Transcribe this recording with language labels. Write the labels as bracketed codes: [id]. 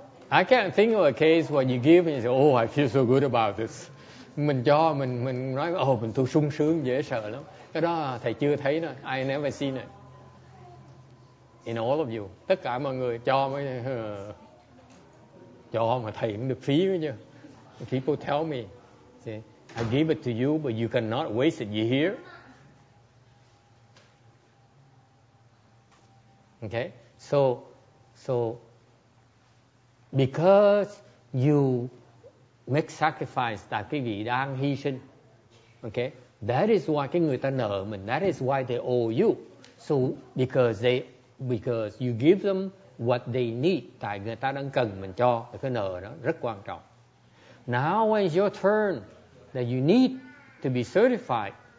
[en] I can't think of a case where you give and you say, oh, I feel so good about this. [vi] Mình cho, mình nói, oh, mình tôi sung sướng, dễ sợ lắm. Cái đó thầy chưa thấy nữa. [en] I never seen it. In all of you. [vi] Tất cả mọi người cho mới... cho mà thầy cũng được phí nữa chứ. [en] People tell me. See? I give it to you, but you cannot waste it. You hear? Okay? So, because you make sacrifice that [vi] quý vị đang hy sinh, [en] okay? That is why [vi] cái người ta nợ mình. [en] That is why they owe you. So, because you give them what they need, [vi] tại người ta đang cần mình cho, cái nợ đó rất quan trọng. [en] Now, when it's your turn, that you need to be certified,